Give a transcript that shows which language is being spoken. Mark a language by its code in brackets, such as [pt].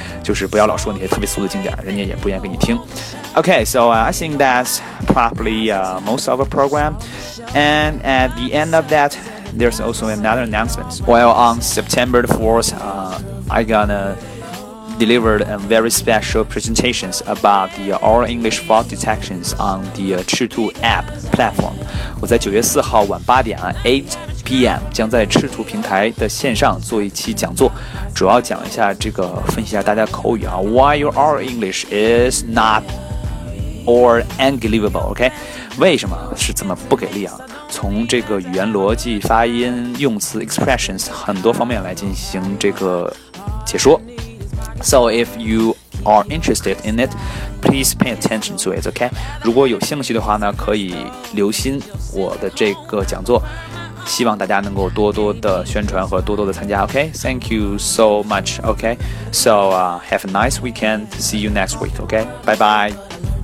[zh] 就是不要老说那些特别俗的景点，人家也不愿意跟你听。 [en] Okay, so I think that's probably most of the program. And at the end of that, there's also another announcement. Well, on September the 4th, I'm gonna deliver a very special presentation about the oral English fault detections on the 赤兔 app platform. [zh] 我在9月4号晚8点8PM 将在赤兔平台的线上做一期讲座，主要讲一下这个，分析一下大家口语啊 ， [en] Why your oral English is not or unbelievable? [zh] OK， 为什么是这么不给力啊？从这个语言逻辑、发音、用词 expressions 很多方面来进行这个解说。 [en] So if you are interested in it, please pay attention to it. OK， [zh] 如果有兴趣的话呢，可以留心我的这个讲座。希望大家能够多多的宣传和多多的参加 OK? [en] Thank you so much OK? So have a nice weekend See you next week OK? Bye bye